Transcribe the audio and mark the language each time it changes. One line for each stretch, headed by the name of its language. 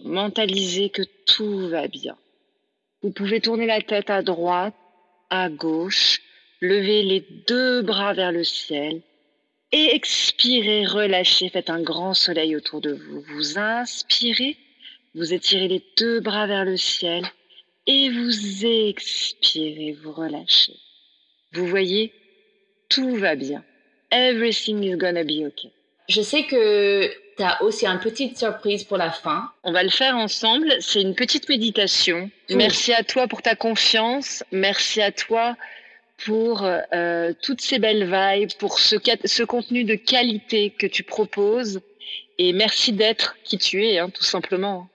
French: Mentalisez que tout va bien. Vous pouvez tourner la tête à droite, à gauche, lever les deux bras vers le ciel. Expirez, relâchez, faites un grand soleil autour de vous. Vous inspirez, vous étirez les deux bras vers le ciel et vous expirez, vous relâchez. Vous voyez, tout va bien.
English: Everything is gonna be okay.
French: Je sais que tu as aussi une petite surprise pour la fin. On va le faire ensemble, c'est une petite méditation. Oui. Merci à toi pour ta confiance, merci à toi pour toutes ces belles vibes, pour ce contenu de qualité que tu proposes. Et merci d'être qui tu es, hein, tout simplement.